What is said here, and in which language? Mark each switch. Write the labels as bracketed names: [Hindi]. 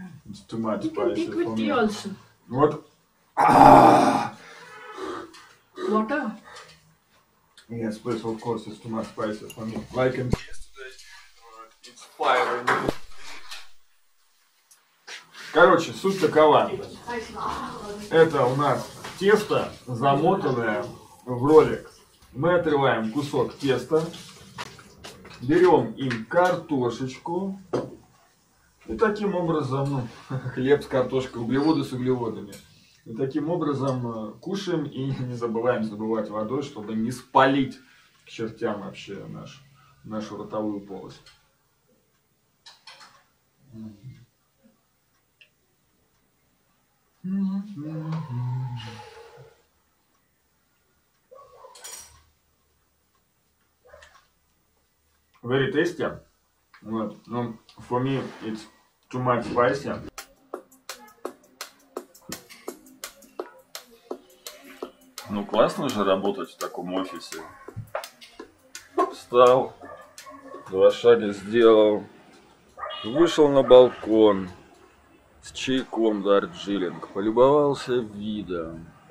[English] It's too much spicy for me. You can take with tea also. What? Ah. Water? Yes, please, of course, it's too much spicy for me. Like in yesterday, it's fire in me. [Russian] Короче, суть такова. Это у нас тесто, замотанное в ролик. Мы отрываем кусок теста. Берем им картошечку. И таким образом, ну, хлеб с картошкой, углеводы с углеводами. И таким образом кушаем и не забываем забывать водой, чтобы не спалить к чертям вообще нашу ротовую полость. [English] Very tasty. [Russian] Вот. Но [English] for me it's too much spicy. [Russian] Ну классно же работать в таком офисе. Встал, два шага сделал, вышел на балкон с чайком Дарджилинг, полюбовался видом.